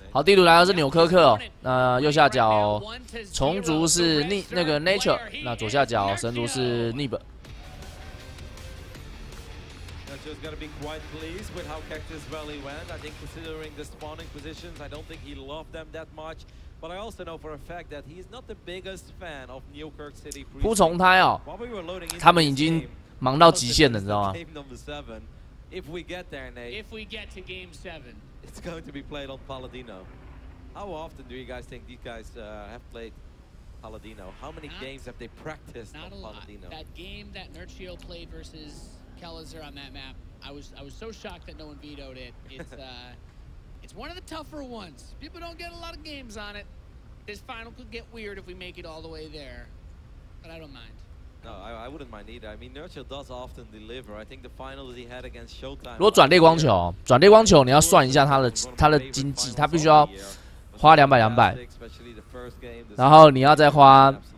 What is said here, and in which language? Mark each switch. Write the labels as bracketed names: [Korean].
[Chinese] 好，地图来的是纽科克，那右下角虫族是那个 Nature， 那左下角神族是 Neeb。 [English] Just gonna be quite pleased with how Cactus Valley went. I think considering the spawning positions, I don't think he loved them that much. But I also know for a fact that he's not the biggest fan of Newkirk City. [Chinese] 扑虫胎哦，他们已经忙到极限了，你知道吗 [English] ？Game number seven. If we get there, Nate. If we get to game seven, it's going to be played on Paladino. How often do you guys think these guys have played Paladino? How many games have they practiced on Paladino? That game that Nurcio played versus Kalazar on that map. I was so shocked that no one vetoed it. It's one of the tougher ones. People don't get a lot of games on it. This final could get weird if we make it all the way there, but I don't mind. No, I wouldn't mind either. I mean, Nurture does often deliver. I think the final that he had against Showtime. [Chinese] 如果转烈光球，转烈光球，你要算一下他的经济，他必须要花200200，然后你要再花。